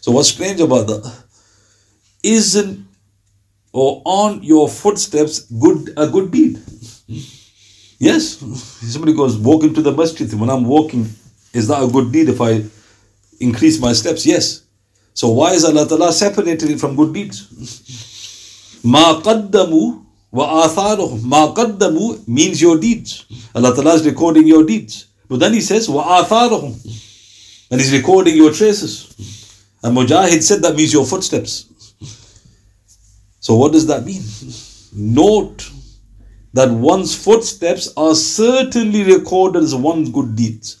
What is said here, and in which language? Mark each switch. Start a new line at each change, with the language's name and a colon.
English: So what's strange about that? Isn't or aren't your footsteps a good deed? Yes. Somebody goes, walk into the masjid. When I'm walking, is that a good deed if I increase my steps? Yes. So why is Allah Ta'ala separating it from good deeds?
Arabic: مَا قَدَّمُوا وَآثَارُهُمْ مَا قَدَّمُوا
English: means your deeds. Allah Ta'ala is recording your deeds. But then he says, وَآثَارُهُمْ and he's recording your traces. And Mujahid said that means your footsteps. So what does that mean? Note that one's footsteps are certainly recorded as one's good deeds.